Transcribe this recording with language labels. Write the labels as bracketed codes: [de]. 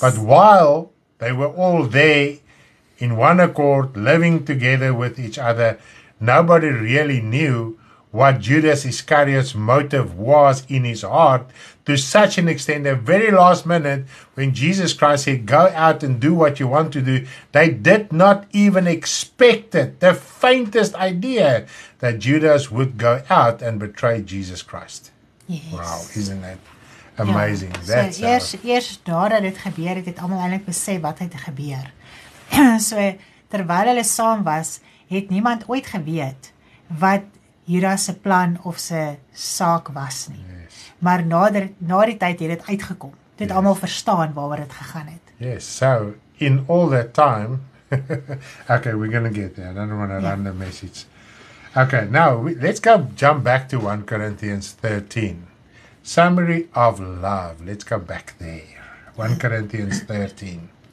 [en] But while they were all there in one accord, living together with each other, nobody really knew what Judas Iscariot's motive was in his heart to such an extent, the very last minute when Jesus Christ said, go out and do what you want to do, they did not even expect it, the faintest idea that Judas would go out and betray Jesus Christ. Yes. Wow, isn't that amazing? [af] Ja, so eers daar dat dit gebeur het, het allemaal eindelijk besef wat het gebeur. So, terwyl hulle saam was, het niemand ooit geweet wat Judas se plan of se saak was nie. [en] Yes. [af] Maar na die tyd het dit uitgekom. Dit het allemaal verstaan waaroor dit gegaan het. [en] Yes, so in all that time, okay, we're going to get there. I don't want to run the message. Okay, now let's go jump back to 1 Corinthians 13. Summary of love. Let's go back there. 1 Corinthians 13.